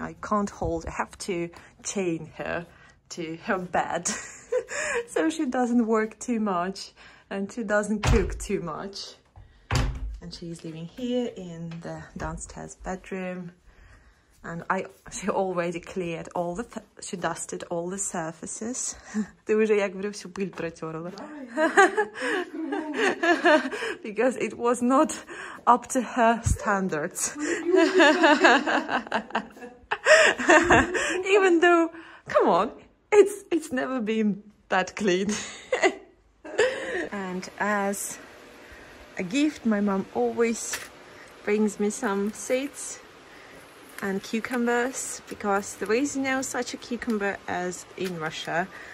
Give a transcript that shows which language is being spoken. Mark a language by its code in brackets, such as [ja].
[en] I can't hold, I have to chain her to her bed so she doesn't work too much and she doesn't cook too much. And she's living here in the downstairs bedroom. And she already cleared all the, she dusted all the surfaces. [ru] Ты уже, я говорю, всю пыль протерла. [en] Because it was not up to her standards. Even though, come on, it's never been that clean. And as a gift, my mom always brings me some seeds and cucumbers, because there is no such a cucumber as in Russia.